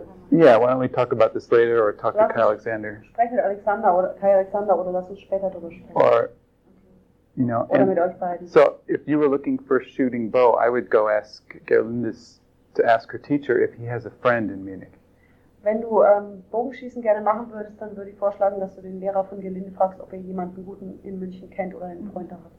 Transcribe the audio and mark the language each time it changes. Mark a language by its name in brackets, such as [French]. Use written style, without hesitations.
[English] Yeah, why don't we talk about this later or talk to Kai Alexander? [German] Sprech mit Alexander oder Kai Alexander oder lass uns später darüber sprechen. [English] You know, and so if you were looking for a shooting bow, I would go ask Gerlindis to ask her teacher if he has a friend in Munich. [German] Wenn du Bogenschießen gerne machen würdest, dann würde ich vorschlagen, dass du den Lehrer von Gerlinde fragst, ob er jemanden guten in München kennt oder einen Freund hat.